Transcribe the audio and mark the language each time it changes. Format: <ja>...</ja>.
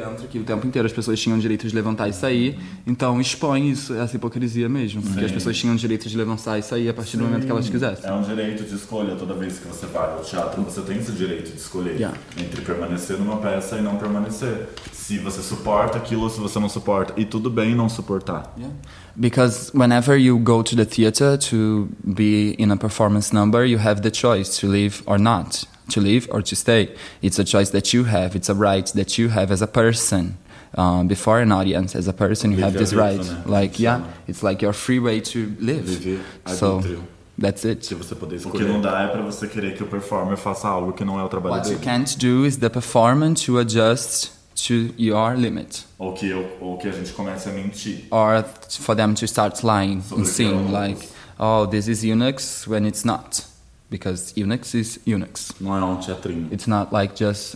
<pt>Que o tempo inteiro as pessoas tinham o direito de levantar e sair, então expõe isso, essa hipocrisia mesmo, porque as pessoas tinham o direito de levantar e sair a partir do momento que elas quisessem. É um direito de escolha, toda vez que você vai ao teatro, você tem esse direito de escolher entre permanecer numa peça e não permanecer, se você suporta aquilo ou se você não suporta, e tudo bem não suportar.</pt> <en>Because whenever you go to the theater to be in a performance number, you have the choice to leave or not. To leave or to stay. It's a choice that you have. It's a right that you have as a person. Before an audience, as a person, you have this right. Like, yeah, it's like your free way to live. So, that's it.</en> <pt>O que não dá é para você querer que o performer faça algo que não é o trabalho dele.</pt> <en>What you can't do is the performer to adjust to your limit.</en> <pt>Ou que a gente comece a mentir.</pt> <en>Or for them to start lying and seeing like, oh, this is eunuchs when it's not. Because eunuchs is eunuchs.</en> <pt>Não é um teatrinho.</pt> <en>It's not like just</en>